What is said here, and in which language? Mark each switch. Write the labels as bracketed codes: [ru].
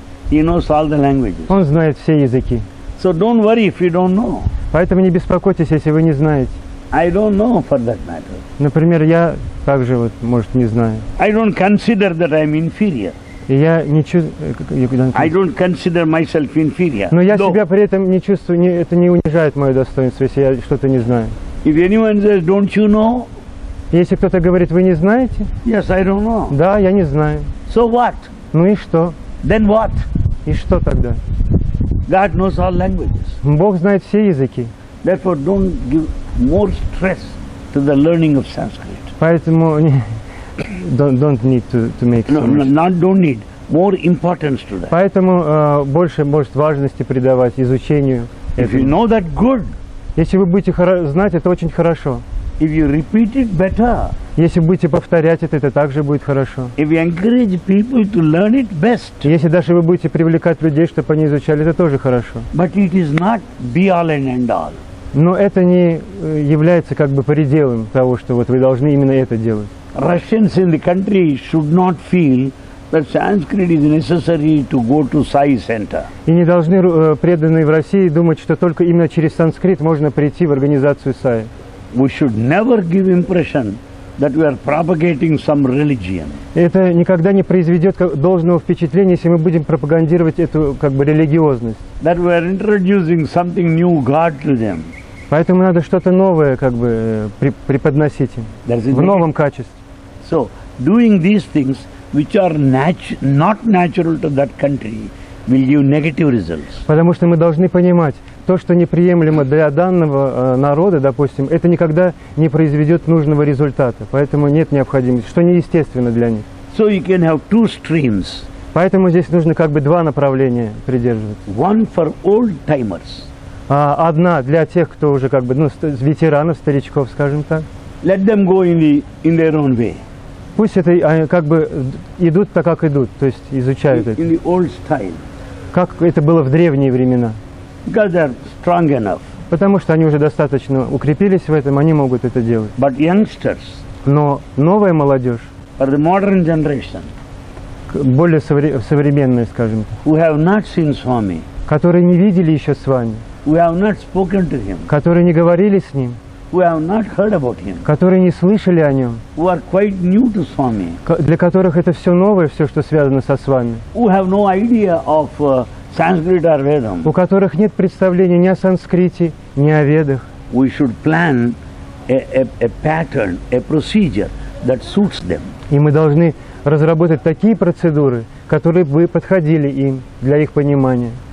[en] He knows all the languages. [ru] Он знает все языки. [en] So don't worry if you don't know. [ru] Поэтому не беспокойтесь, если вы не знаете. [en] I don't know for that matter. [ru] Например, я также вот, может, не знаю. [en] I don't consider that I'm inferior. [ru] Я не чувствую. [en] I don't consider myself inferior. [ru] Но я себя при этом не чувствую, это не унижает мое достоинство, если я что-то не знаю. [en] If anyone says, don't you know? [ru] Если кто-то говорит, вы не знаете? [en] Yes, I don't know. [ru] Да, я не знаю. [en] So what? [ru] Ну и что? [en] Then what? [ru] И что тогда? [en] God knows all languages. [ru] Бог знает все языки. [en] Therefore, don't give more stress to the learning of Sanskrit. [ru] Поэтому [en] don't need to make no, so much. Not don't need more importance to that. [ru] Поэтому больше может важности придавать изучению. [en] If you know that good. [ru] Если вы будете знать, это очень хорошо. [en] If you repeat it better. [ru] Если будете повторять это также будет хорошо. [en] If you encourage people to learn it best. [ru] Если даже вы будете привлекать людей, чтобы они изучали, это тоже хорошо. [en] But it is not be all and end all. [ru] Но это не является как бы пределом того, что вот вы должны именно это делать. [en] Russians in the country should not feel that Sanskrit is necessary to go to Sai center. [ru] И не должны преданные в России думать, что только именно через санскрит можно прийти в организацию Sai. [en] We should never give impression that we are propagating some religion. [ru] Это никогда не произведет должного впечатления, если мы будем пропагандировать эту как бы религиозность. [en] That we are introducing something new God to them. [ru] Поэтому надо что-то новое как бы преподносить им в новом качестве. [en] So doing these things, which are not natural to that country, will give negative results. [ru] Потому что мы должны понимать. То, что неприемлемо для данного народа, допустим, это никогда не произведет нужного результата. Поэтому нет необходимости, что неестественно для них. [en] So you can have two streams. [ru] Поэтому здесь нужно как бы два направления придерживаться. [en] One for old timers. [ru] Одна для тех, кто уже как бы, ну, ветеранов, старичков, скажем так. [en] Let them go in their own way. [ru] Пусть это они как бы идут так, как идут, то есть изучают [en] in the old style. [ru] Как это было в древние времена. [en] Because they are strong enough. [ru] Потому что они уже достаточно укрепились в этом, они могут это делать. [en] But youngsters, [ru] но новая молодежь, [en] for the modern generation, [ru] более современная, скажем, [en] who have not seen Swami, [ru] которые не видели еще с вами, [en] who have not spoken to him, [ru] которые не говорили с ним, [en] who have not heard about him, [ru] которые не слышали о нем, [en] who are quite new to Swami, [ru] для которых это все новое, все, что связано со Свами, [en] who have no idea of Sanskrit or Vedam, [ru] у которых нет представления ни о санскрите, ни о ведах, [en] we should plan a pattern, a procedure that suits them. [ru] И мы должны разработать такие процедуры, которые бы подходили им для их понимания.